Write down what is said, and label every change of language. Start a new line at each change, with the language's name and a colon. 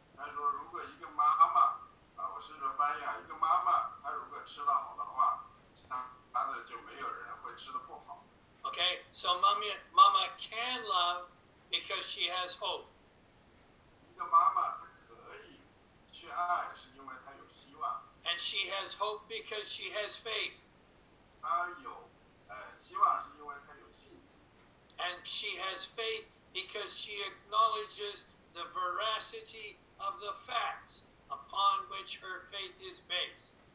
Chinese: 他说如果一个妈妈我试着翻译啊，一个妈妈她如果吃得好的话，她的就没有人会吃得不好。
English: Okay, so mama can love because she has hope.
Chinese: 一个妈妈她可以去爱，是因为她有希望。
English: And she has hope because she has faith.
Chinese: 她有希望是因为她有信心。
English: And she has faith because she acknowledges the veracity of the facts upon which her faith is based.